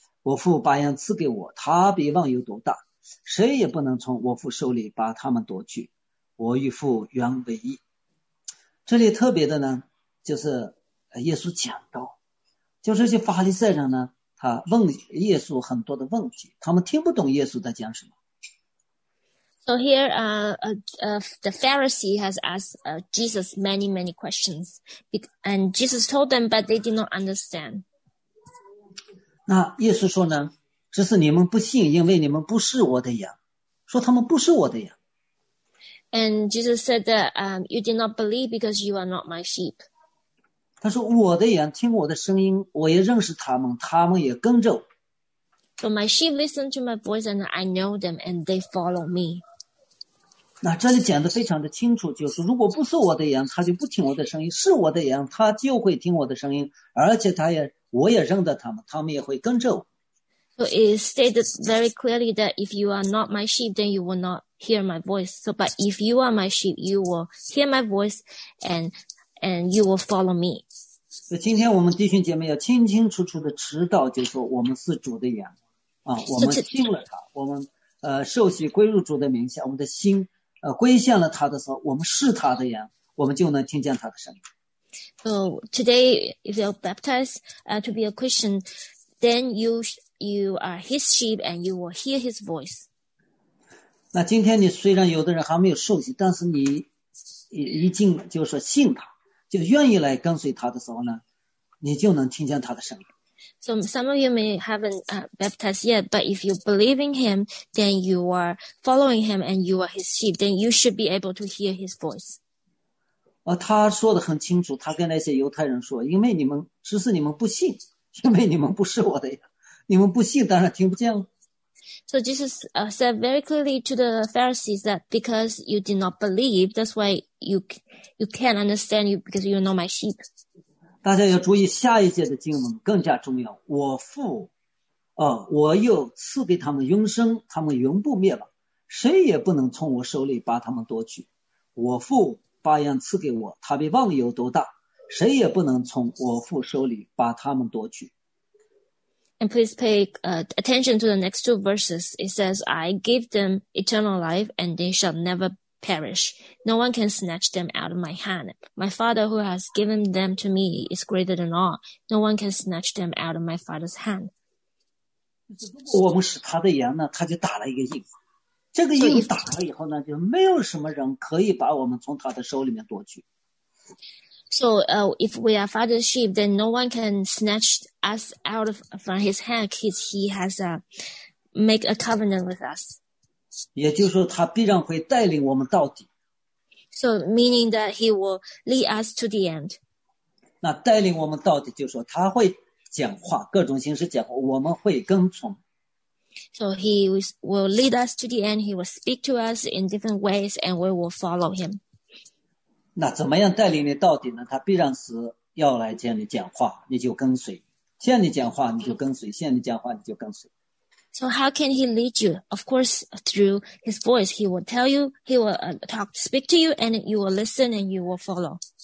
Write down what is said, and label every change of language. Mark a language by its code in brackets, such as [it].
[zh] 我父把羊赐给我，他比万有都大，谁也不能从我父手里把他们夺去。我与父原为一。这里特别的呢，就是耶稣讲到，就是这些法利赛人呢，他问耶稣很多的问题，他们听不懂耶稣在讲什么。 [en] So here, the Pharisee has asked Jesus many, many questions, and Jesus told them, but they did not understand. [zh] 那耶稣说呢，只是你们不信，因为你们不是我的羊，说他们不是我的羊。 [en] And Jesus said that you did not believe because you are not my sheep. [zh] 他说我的羊听我的声音，我也认识他们，他们也跟着我。 [en] So my sheep listen to my voice and I know them and they follow me. [zh] 那这里讲得非常的清楚，就是如果不是我的羊，他就不听我的声音；是我的羊，他就会听我的声音，而且他也我也认得他们，他们也会跟着我。 [en] So it stated very clearly that if you are not my sheep, then you will not hear my voice. So, but if you are my sheep, you will hear my voice, and you will follow me. [zh] 所以今天我们弟兄姐妹要清清楚楚的知道，就是说我们是主的羊，啊，我们听了他，我们受洗归入主的名下，我们的心归向了他的时候，我们是他的羊，我们就能听见他的声音。 [en] So today, if you're baptized to be a Christian, then you are his sheep and you will hear his voice. [zh] 那今天你虽然有的人还没有受洗，但是你已经就是说信他，就愿意来跟随他的时候呢，你就能听见他的声音。 [en] So some of you may haven't baptized yet, but if you believe in him, then you are following him and you are his sheep, then you should be able to hear his voice. [zh] 他说得很清楚，他跟那些犹太人说，因为你们只是你们不信，因为你们不是我的呀，你们不信当然听不见了。 [en] So Jesus said very clearly to the Pharisees that because you did not believe, that's why you can't understand you because you're not my sheep. [zh] 大家要注意下一节的经文更加重要，我父我又赐给他们永生，他们永不灭亡，谁也不能从我手里把他们夺去。我父把羊赐给我，他比万有都大，谁也不能从我父手里把他们夺去。 [en] And please pay attention to the next two verses. It says, I give them eternal life, and they shall never perish. No one can snatch them out of my hand. My Father who has given them to me is greater than all. No one can snatch them out of my Father's hand. [zh] 我们是他的羊呢，他就打了一个印。这个印打了以后呢，就没有什么人可以把我们从他的手里面夺去。 [en] So, if we are Father's sheep, then no one can snatch us out of from His hand, because He has make a covenant with us. [zh] 也就是说，他必然会带领我们到底。 [en] So, meaning that He will lead us to the end. [zh] 那带领我们到底，就是说他会讲话，各种形式讲话，我们会跟从。 [en] So he will lead us to the end. He will speak to us in different ways, and we will follow him. [zh] 那怎么样带领你到底呢？他必然是要来见你讲话，你就跟随。见你讲话，你就跟随。见你讲话，你就跟随。 [en] So how can he lead you? Of course, through his voice. He will tell you. He will speak to you, and you will listen, and you will follow.